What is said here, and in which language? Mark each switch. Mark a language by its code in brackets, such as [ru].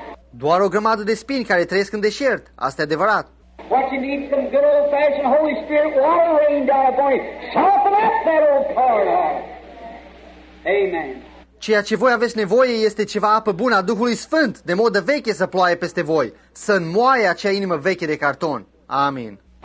[ro] Doar o grămadă de spini care trăiesc în deșert. Asta e adevărat. [en] What you need, some good old fashioned Holy Spirit water rain down upon you. Soften up that old part. Amen. [ro] Ceea ce voi aveți nevoie este ceva apă bună a Duhului Sfânt, de modă veche să ploaie peste voi, să înmoaie acea inimă veche de carton. Amin.